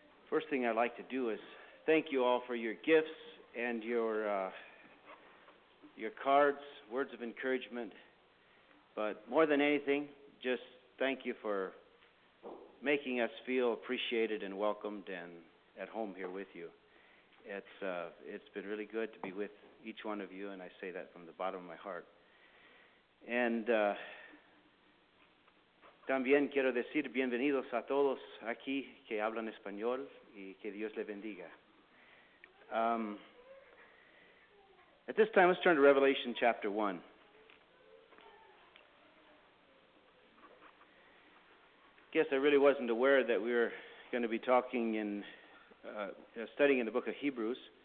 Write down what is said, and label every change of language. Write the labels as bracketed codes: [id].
[en] First thing I'd like to do is thank you all for your gifts and your cards, words of encouragement. But more than anything, just thank you for making us feel appreciated and welcomed and at home here with you. It's been really good to be with each one of you, and I say that from the bottom of my heart. [es] And también quiero decir bienvenidos a todos aquí que hablan español y que Dios le bendiga. [en] At this time, let's turn to Revelation chapter 1. I guess I really wasn't aware that we were going to be talking in studying in the book of Hebrews.